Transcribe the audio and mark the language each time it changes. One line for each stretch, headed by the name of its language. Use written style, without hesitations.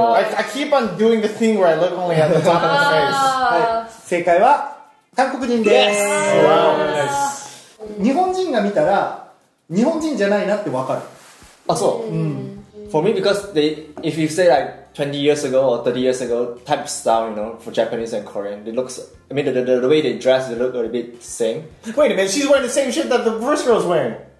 English: I keep on doing the thing where I look only at the top of the face.
Japanese: 正解は韓国人です。日本人が見たら日本人じゃないなってわかる。あ、そう。
English: For me, because if you say like 20 years ago or 30 years ago, type style, you know, for Japanese and Korean, it looks, I mean, the way they dress, they look a little bit same. Wait a minute, she's wearing the same shit that the first girl's wearing.